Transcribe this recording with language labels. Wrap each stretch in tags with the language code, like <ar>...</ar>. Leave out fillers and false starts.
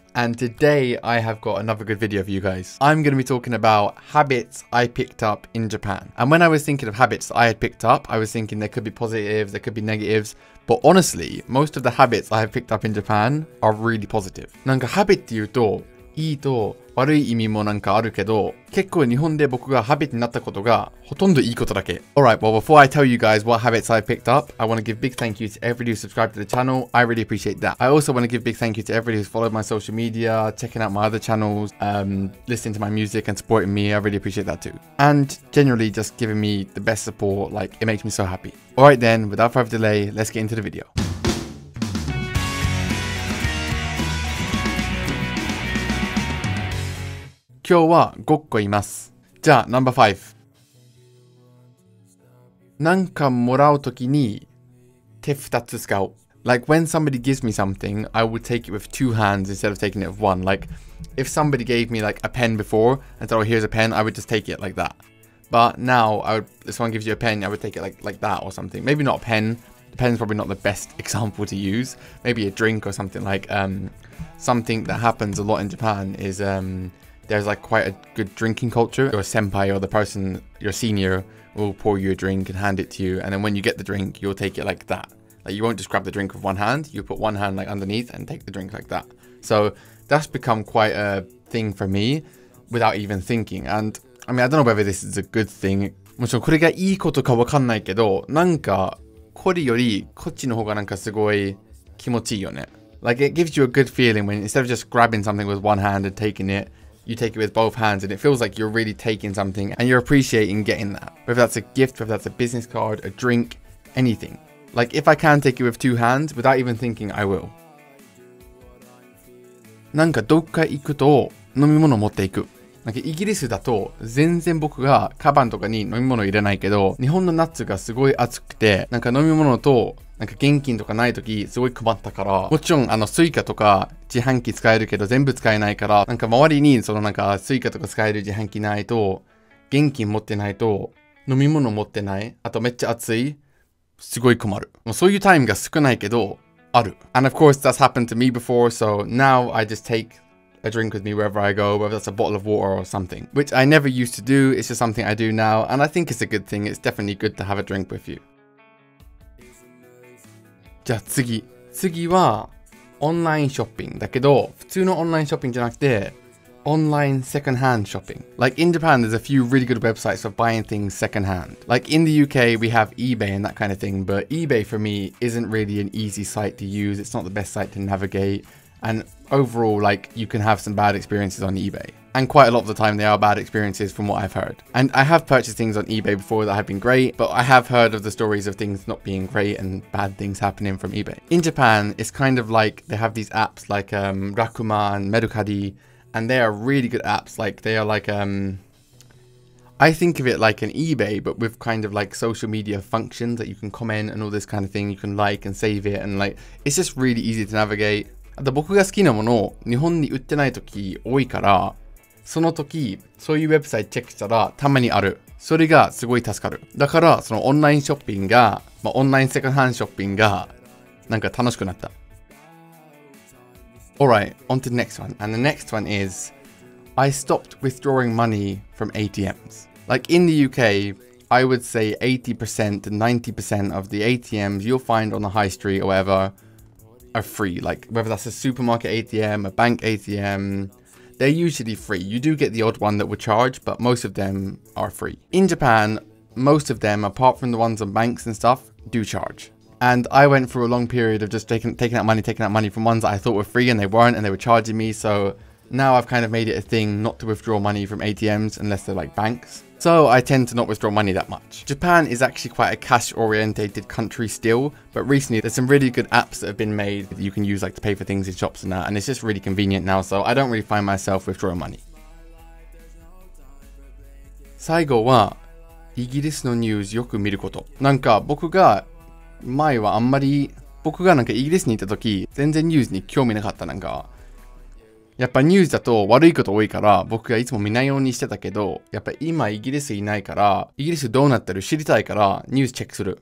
<en>And today I have got another good video for you guys. I'm going to be talking about habits I picked up in Japan. And when I was thinking of habits I had picked up, I was thinking there could be positives, there could be negatives. But honestly, most of the habits I have picked up in Japan are really positive.</en> <ja>なんかハビットって言うと、いいと悪い意味もなんかあるけど、結構日本で僕がハビットになったことがほとんどいいことだけ。</ja> <en>Alright, well before I tell you guys what habits I picked up, I want to give big thank you to everybody who subscribed to the channel. I really appreciate that. I also want to give big thank you to everybody who's followed my social media, checking out my other channels, listening to my music and supporting me. I really appreciate that too. And generally just giving me the best support, like it makes me so happy. Alright then, without further delay, let's get into the video.</en> <ja>今日は5個います。じゃあ、ナンバー5。なんかもらうときに手2つ使う。</ja> <en>Like, when somebody gives me something, I will take it with two hands instead of taking it with one. Like, if somebody gave me, like, a pen before and said, oh, here's a pen, I would just take it like that. But now, if someone gives you a pen, I would take it like that or something. Maybe not a pen. The pen's probably not the best example to use. Maybe a drink or something. Like, something that happens a lot in Japan is, There's like quite a good drinking culture. Your senpai or the person, your senior, will pour you a drink and hand it to you. And then when you get the drink, you'll take it like that. Like you won't just grab the drink with one hand. You put one hand like underneath and take the drink like that. So that's become quite a thing for me without even thinking. And I mean, I don't know whether this is a good thing.</en> <ja>もちろんこれがいいことかわかんないけど、なんかこれよりこっちの方がなんかすごい気持ちいいよね。</ja> <en>Like it gives you a good feeling when instead of just grabbing something with one hand and taking it,You take it with both hands and it feels like you're really taking something and you're appreciating getting that. Whether that's a gift, whether that's a business card, a drink, anything. Like if I can take it with two hands, without even thinking, I will.</en> <ja>なんかどっか行くと飲み物持っていく。なんかイギリスだと全然僕がカバンとかに飲み物入れないけど、日本の夏がすごい暑くて、なんか飲み物となんか現金とかないときすごい困ったから、もちろんあのスイカとか自販機使えるけど全部使えないから、なんか周りにそのなんかスイカとか使える自販機ないと、現金持ってないと飲み物持ってない、あとめっちゃ暑い、すごい困る。もうそういうタイムが少ないけど、ある。</ja> <en>And of course that's happened to me before, so now I just take a drink with me wherever I go, whether that's a bottle of water or something, which I never used to do, it's just something I do now, and I think it's a good thing, it's definitely good to have a drink with you.</en> <ja>じゃあ次はオンラインショッピングだけど、普通のオンラインショッピングじゃなくてオンラインセカンドハンドショッピング。</ja> <en>Like in Japan there's a few really good websites for buying things second hand. Like in the UK we have eBay and that kind of thing, but eBay for me isn't really an easy site to use. It's not the best site to navigate, and overall like you can have some bad experiences on eBay, and quite a lot of the time they are bad experiences from what I've heard. And I have purchased things on eBay before that have been great, but I have heard of the stories of things not being great and bad things happening from eBay. In Japan it's kind of like they have these apps like Rakuma and Merukadi, and they are really good apps. Like they are like I think of it like an eBay but with kind of like social media functions that you can comment and all this kind of thing. You can like and save it, and like it's just really easy to navigate.</en> <ja>あと僕が好きなものを日本に売ってない時多いから、その時そういうウェブサイトチェックしたらたまにある。それがすごい助かる。だからそのオンラインショッピングが、まあ、オンラインセカンドハンドショッピングがなんか楽しくなった。</ja> <en>Alright, on to the next one. And the next one is, I stopped withdrawing money from ATMs. Like in the UK, I would say 80% to 90% of the ATMs you'll find on the high street or whatever,are free. Like whether that's a supermarket ATM, a bank ATM, they're usually free. You do get the odd one that will charge, but most of them are free. In Japan, most of them, apart from the ones on banks and stuff, do charge. And I went through a long period of just taking out money from ones that I thought were free and they weren't, and they were charging me. So now I've kind of made it a thing not to withdraw money from ATMs unless they're like banks. So I tend to not withdraw money that much. Japan is actually quite a cash orientated country still, but recently there's some really good apps that have been made that you can use like to pay for things in shops and that, and it's just really convenient now, so I don't really find myself withdrawing money.</en> <ja>最後はイギリスのニュースよく見ること。なんか僕が前はあんまり、僕がなんかイギリスに行った時全然ニュースに興味なかった。なんかやっぱニュースだと悪いこと多いから僕がいつも見ないようにしてたけど、やっぱ今イギリスいないから、イギリスどうなってる知りたいからニュースチェックする。</ja>